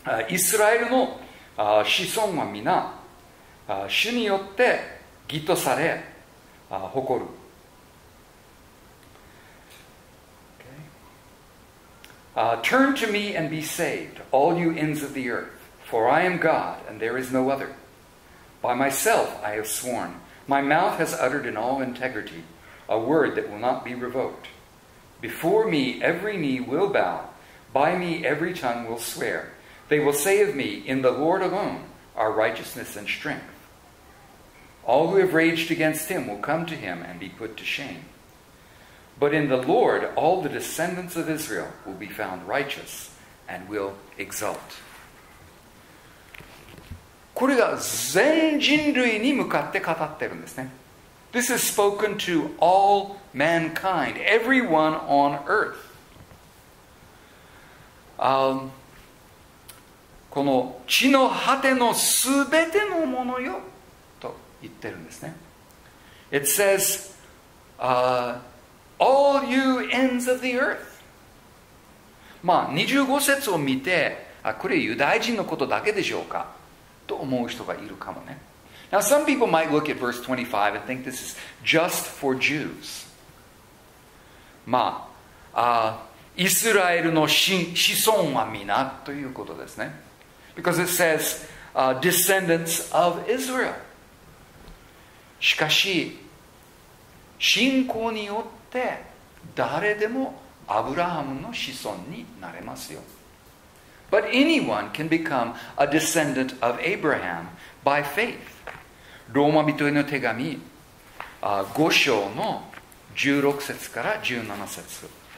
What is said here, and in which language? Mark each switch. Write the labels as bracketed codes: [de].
[ja] イスラエルの子孫は皆主によって義とされ誇る。 [en] Turn to me and be saved, all you ends of the earth, for I am God and there is no other. By myself I have sworn, my mouth has uttered in all integrity a word that will not be revoked. Before me every knee will bow, by me every tongue will swear. They will say of me, in the Lord alone are righteousness and strength. All who have raged against him will come to him and be put to shame. But in the Lord, all the descendants of Israel will be found righteous and will exult. [ja] これが全人類に向かって語ってるんですね。 [en] This is spoken to all mankind, everyone on earth. [ja] この地の果てのすべてのものよと言ってるんですね。 [en] It says, All you ends of the earth. [ja] まあ25節を見て、あ、これユダヤ人のことだけでしょうかと思う人がいるかもね。 [en] Now some people might look at verse 25 and think this is just for Jews. [ja] まあ、イスラエルの子孫は皆ということですね。 [en] Because it says, descendants of Israel. [ja] しかし、信仰によって誰でもアブラハムの子孫になれますよ。 [en] But anyone can become a descendant of Abraham by faith. [ja] ローマ人への手紙5章の16節から17節。